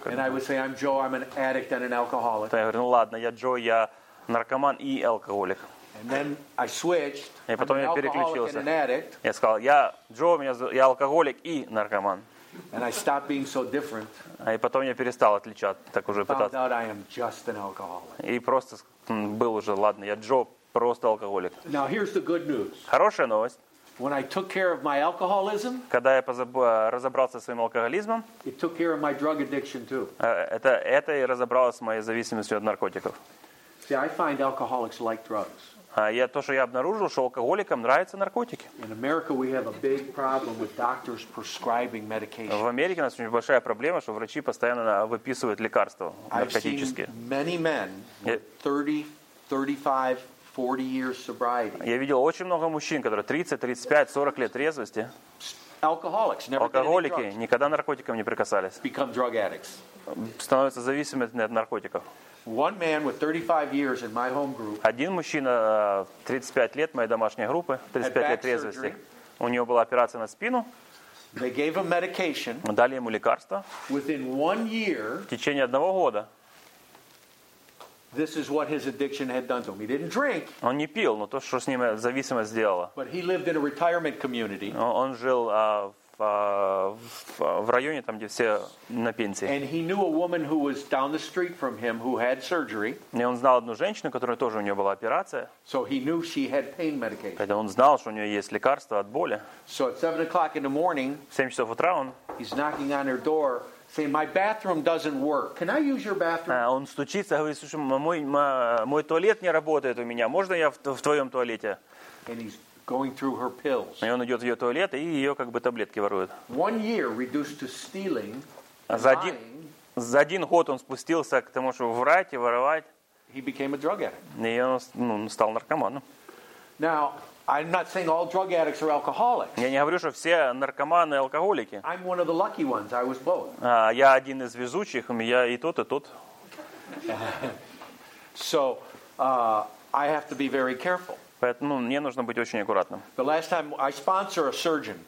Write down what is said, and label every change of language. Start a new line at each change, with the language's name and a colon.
English: And I would say, I'm Joe, I'm an addict and an alcoholic.
Russian: Я говорю, ну ладно, я Джо, я наркоман и алкоголик.
English: And then I switched.
Russian: И потом я переключился. Я сказал, я Джо, я алкоголик и наркоман.
English: And I stopped being so different.
Russian: И потом я перестал отличаться, так уже пытаться.
English: Found out I am just an alcoholic.
Russian: И просто был уже, ладно, я Джо, просто алкоголик.
English: Now here's the good news.
Russian: Хорошая новость.
English: When I took care of my alcoholism,
Russian: когда я разобрался со своим алкоголизмом,
English: it took care of my drug addiction too.
Russian: Это и разобралось с моей зависимостью от наркотиков.
English: See, I find alcoholics like drugs.
Russian: Я то, что я обнаружил, что алкоголикам нравятся наркотики.
English: In America we have a big problem with doctors prescribing medication.
Russian: В Америке у нас очень большая проблема, что врачи постоянно выписывают лекарства наркотические.
English: I've seen many men with 35-40 years sobriety.
Russian: Я видел очень много мужчин, которые 30-35-40 лет трезвости.
English: Alcoholics never.
Russian: Алкоголики никогда наркотикам не прикасались.
English: Become drug addicts.
Russian: Становятся зависимыми от наркотиков.
English: One man with 35 years in my home group.
Russian: Один мужчина 35 лет моей домашней группы, 35 лет трезвости. У него была операция на спину.
English: They gave him medication.
Russian: Дали ему лекарство.
English: Within one year.
Russian: В течение одного года.
English: This is what his addiction had done to him. He didn't drink.
Russian: Он не пил, но то, что с ним зависимость сделала.
English: But he lived in a retirement community.
Russian: Он жил в районе, там, где все на пенсии.
English: And he knew a woman who was down the street from him who had surgery.
Russian: И он знал одну женщину, которая тоже у нее была операция.
English: So he knew she had pain medication.
Russian: Поэтому он знал, что у нее есть лекарство от боли.
English: So at 7 o'clock in the morning,
Russian: 7 часов утра он,
English: he's knocking on her door. Say, my bathroom doesn't work. Can I use your bathroom?
Russian: Он стучится, говорит, слушай, мой туалет не работает у меня. Можно я в твоем туалете?
English: And he's going through her pills.
Russian: И он идет в ее туалет и ее как бы таблетки ворует.
English: One year reduced to stealing.
Russian: За один год он спустился к тому, чтобы врать и воровать.
English: He became a drug addict.
Russian: И он, ну, стал наркоманом.
English: Now. I'm not saying all drug addicts are alcoholics.
Russian: Я не говорю, что все наркоманы алкоголики.
English: I'm one of the lucky ones. I was both.
Russian: Я один из везучих, я и тот, и тот.
English: So, I have to be very careful.
Russian: Поэтому мне нужно быть очень аккуратным.
English: The last time I sponsor a surgeon.